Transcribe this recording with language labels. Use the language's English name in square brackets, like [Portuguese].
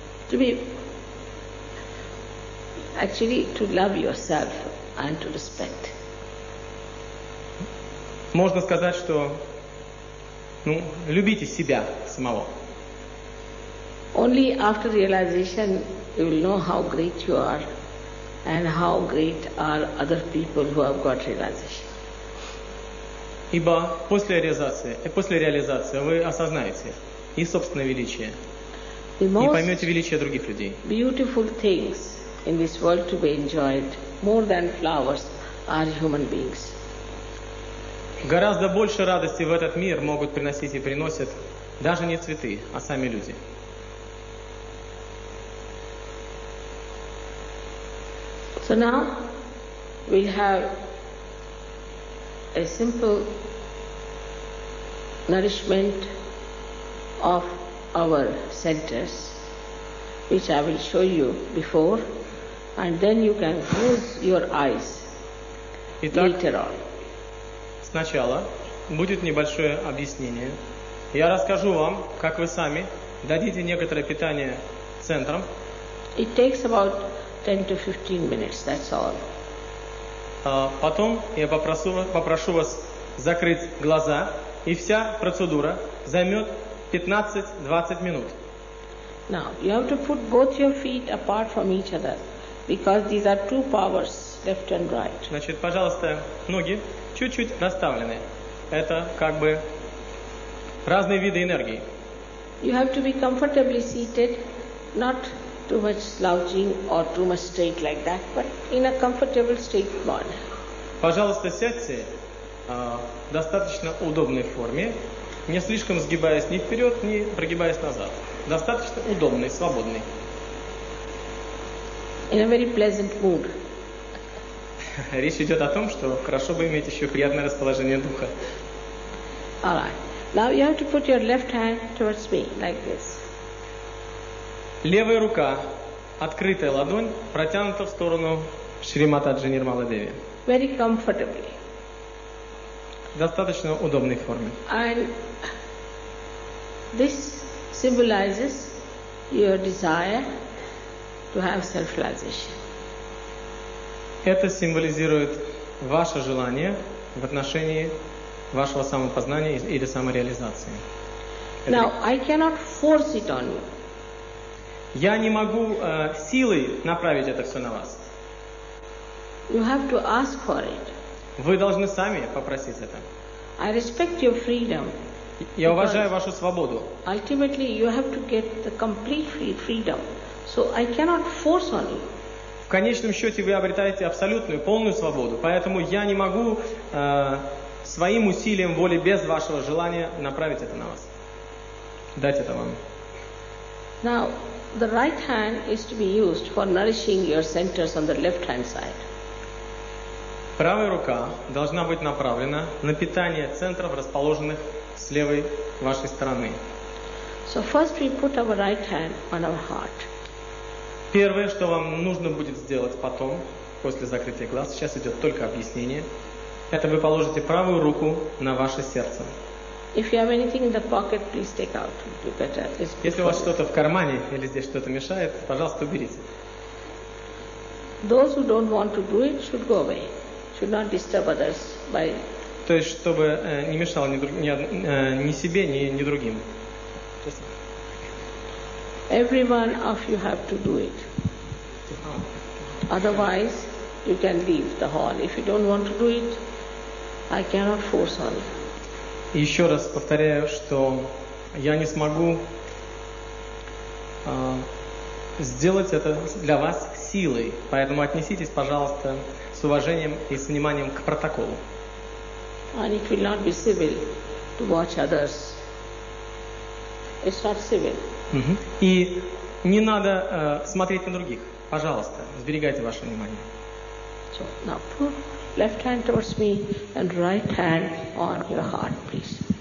[English] To be actually to love yourself and to respect. [Russian] Можно сказать, что любите себя самого. [English] Only after realization you will know how great you are and how great are other people who have got realization. [Russian] Ибо после реализации вы осознаете и собственное величие, и поймете величие других людей. [English] Beautiful things in this world to be enjoyed more than flowers are human beings. [Russian] Гораздо больше радости в этот мир могут приносить и приносят даже не цветы, а сами люди. [English] So now we have a simple nourishment of our centers, which I will show you before, and then you can close your eyes. [Russian] Итак, [English] later on. [Russian] Сначала будет небольшое объяснение. Я расскажу вам, как вы сами дадите некоторое питание центрам. [English] It takes about 10 to 15 minutes, that's all. [Russian] Потом я попрошу вас закрыть глаза, и вся процедура займет 15-20 минут. [English] Now, you have to put both your feet apart from each other, because these are two powers, left and right. [Russian] Значит, пожалуйста, ноги чуть-чуть расставлены. Это как бы разные виды энергии. [English] You have to be comfortably seated, not too much slouching or too much straight like that, but in a comfortable straight manner. [Russian] Пожалуйста, сядьте в достаточно удобной форме, не слишком сгибаясь ни вперед, ни прогибаясь назад. Достаточно удобной, свободной. [English] In a very pleasant mood. [Russian] Речь идет о том, что хорошо бы иметь еще приятное расположение духа. [English] All right. Now you have to put your left hand towards me, like this. [Russian] Левая рука, открытая ладонь, протянута в сторону Шри Матаджи Нирмала Деви. [English] Very comfortably. [Russian] Достаточно удобной форме. [English] And this symbolizes your desire to have self-realization. [Russian] Это символизирует ваше желание в отношении вашего самопознания или самореализации. [English] Now, I cannot force it on you. [Russian] Я не могу силой направить это все на вас. [English] You have to ask for it. [Russian] Вы должны сами попросить это. [English] I respect your freedom. [Russian] Я уважаю вашу свободу. [English] Ultimately, you have to get the complete freedom. So I cannot force on you. [Russian] В конечном счете вы обретаете абсолютную, полную свободу. Поэтому я не могу своим усилием воли без вашего желания направить это на вас. Дать это вам. [English] Now, the right hand is to be used for nourishing your centers on the left hand side. [Russian] Правая рука должна быть направлена на питание центров, расположенных с левой вашей стороны. [English] So first we put our right hand on our heart. [Russian] Первое, что вам нужно будет сделать потом, после закрытия глаз, сейчас идет только объяснение, это вы положите правую руку на ваше сердце. [English] If you have anything in the pocket, please take out. You better. [Russian] Если у вас что-то в кармане или здесь что-то мешает, пожалуйста, уберите. [English] Those who don't want to do it should go away. Should not disturb others by. [Russian] То есть, чтобы не мешало ни себе, ни другим. [English] Every one of you have to do it. Otherwise, you can leave the hall. If you don't want to do it, I cannot force on you. [Russian] Еще раз повторяю, что я не смогу сделать это для вас силой. Поэтому отнеситесь, пожалуйста, с уважением и с вниманием к протоколу. [English] And it will not be civil to watch others. It's not civil. [Russian] И не надо смотреть на других. Пожалуйста, сберегайте ваше внимание. [English] So now put left hand towards me and right hand on your heart, please.